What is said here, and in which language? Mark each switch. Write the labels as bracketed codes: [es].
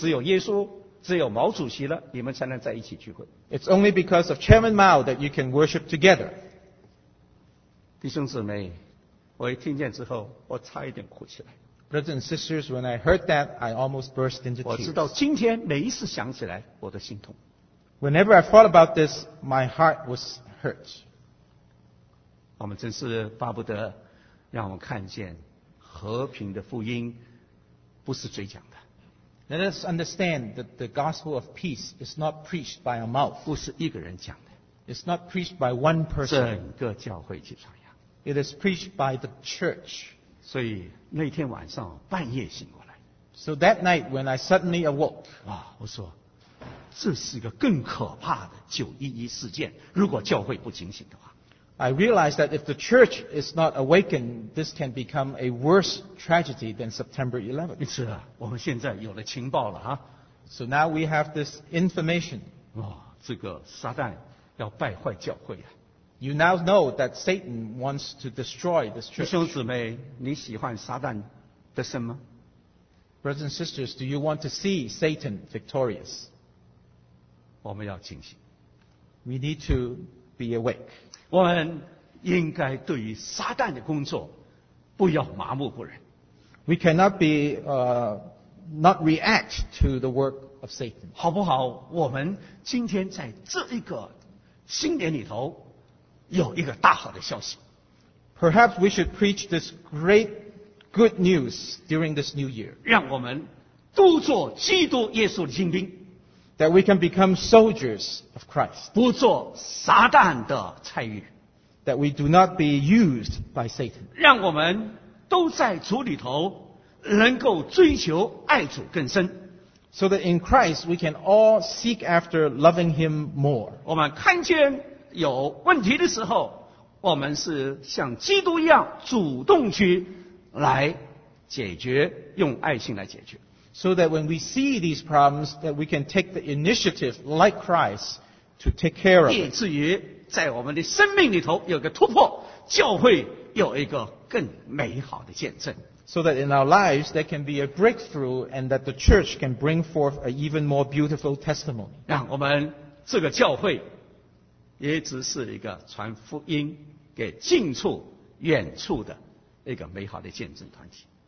[zh] 只有耶稣，只有毛主席了，你们才能在一起聚会。 [en] It's only because of Chairman Mao that you can worship together. [zh] 弟兄姊妹，我一听见之后，我差一点哭起来。 [en] Brothers and sisters, when I heard that, I almost burst into tears. [zh] 我知道今天每一次想起来，我的心痛。 [en] Whenever I thought about this, my heart was hurt. [zh] 我们真是巴不得让我们看见和平的福音。不是嘴讲的。 [en] Let us understand that the gospel of peace is not preached by a mouth. [zh] 不是一个人讲的。 [en] It's not preached by one person. [zh] 整个教会去传扬。 [en] It is preached by the church. [zh] 所以那天晚上半夜醒过来。 [en] So that night when I suddenly awoke, [zh] 啊，我说，这是一个更可怕的911事件。如果教会不警醒的话。 [en] I realize that if the church is not awakened, this can become a worse tragedy than September 11th. [zh] 是啊，我们现在有了情报了哈。 [en] So now we have this information. [zh] 哦，这个撒旦要败坏教会啊。 [en] You now know that Satan wants to destroy this church. [zh] 弟兄姊妹，你喜欢撒旦得胜吗？ [en] Brothers and sisters, do you want to see Satan victorious? [zh] 我们要警醒。 [en] We need to be awake. [zh] 我们应该对于撒旦的工作不要麻木不仁。 [en] We cannot be, not react to the work of Satan. [zh] 好不好？我们今天在这一个新年里头有一个大好的消息。 [en] Perhaps we should preach this great good news during this new year. [zh] 让我们都做基督耶稣的精兵。 [en] That we can become soldiers of Christ. [zh] 不做撒旦的差役。 [en] That we do not be used by Satan. [zh] 让我们都在主里头能够追求爱主更深。 [en] So that in Christ we can all seek after loving Him more. [zh] 我们看见有问题的时候，我们是像基督一样主动去来解决，用爱心来解决。 [en] So that when we see these problems, that we can take the initiative like Christ to take care of it. [zh] 以至于在我们的生命里头有个突破，教会有一个更美好的见证。 [en] So that in our lives there can be a breakthrough and that the church can bring forth an even more beautiful testimony. [zh] 让我们这个教会也只是一个传福音给近处远处的一个美好的见证团体。